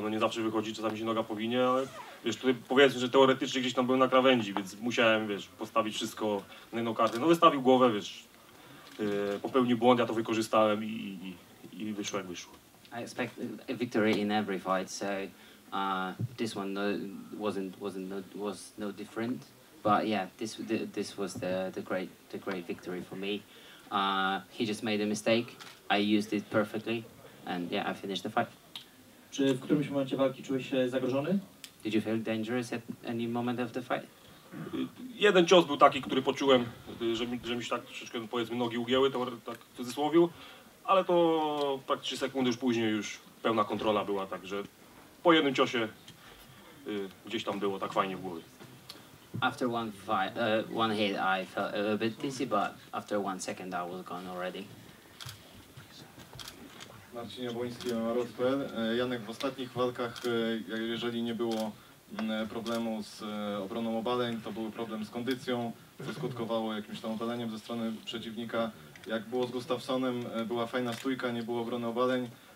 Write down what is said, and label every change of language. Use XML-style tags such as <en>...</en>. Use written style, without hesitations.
<pl>No nie zawsze wychodzi, czasami się noga powinie, ale wiesz, tutaj powiedzmy, że teoretycznie gdzieś tam byłem na krawędzi, więc musiałem, wiesz, postawić wszystko na jedną kartę. No wystawił głowę, wiesz, popełnił błąd, ja to wykorzystałem i wyszło.</pl> <en>I expect a victory in every fight, so this one wasn't different, but yeah, this was the great victory for me. He just made a mistake. I used it perfectly, and yeah, I finished the fight.</en> <pl>Czy w którymś momencie walki czułeś się zagrożony?</pl> <en>Did you feel dangerous at any moment of the fight?</en> <pl>Jeden cios był taki, który poczułem, że mi się tak troszeczkę, powiedzmy, nogi ugięły, to tak w cudzysłowie, ale to tak 3 sekundy już później już pełna kontrola była, także po jednym ciosie gdzieś tam było tak fajnie w głowie.</pl> <en>After one fight, one hit, I felt a little bit dizzy, but after 1 second, I was gone already.</en> <pl>Marcin Jabłoński, Rotpl. Janek, w ostatnich walkach, jeżeli nie było problemu z obroną obaleń, to był problem z kondycją, co skutkowało jakimś tam obaleniem ze strony przeciwnika. Jak było z Gustafsonem, była fajna stójka, nie było obrony obaleń.</pl>